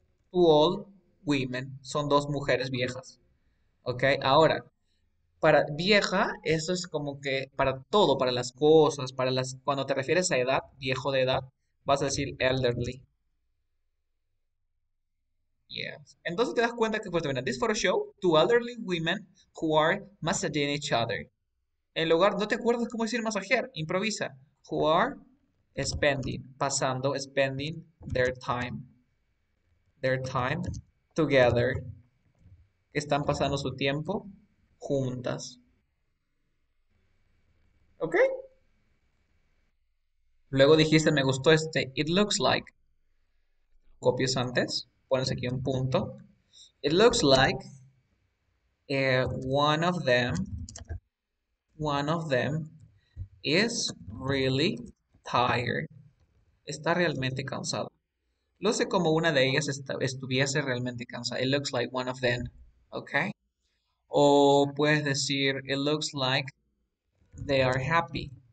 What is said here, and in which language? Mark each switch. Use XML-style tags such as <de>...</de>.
<es>Two old women, son dos mujeres viejas. Ok, ahora, para vieja, eso es como que para todo, para las cosas, para las. Cuando te refieres a edad, viejo de edad, vas a decir elderly.</es> <en>Yes. Entonces te das cuenta que pues this photo show two elderly women who are massaging each other.</en> <es>En lugar, no te acuerdas cómo decir masajear, improvisa.</es> <en>Who are spending, pasando, spending their time together.</en> <es>Están pasando su tiempo juntas. ¿Ok? Luego dijiste, me gustó este, it looks like. Copias antes. Pones aquí un punto.</es> <en>It looks like one of them is really tired.</en> <es>Está realmente cansado. Lo sé como una de ellas estuviese realmente cansada.</es> <en>It looks like one of them. Ok. O puedes decir, it looks like they are happy.</en>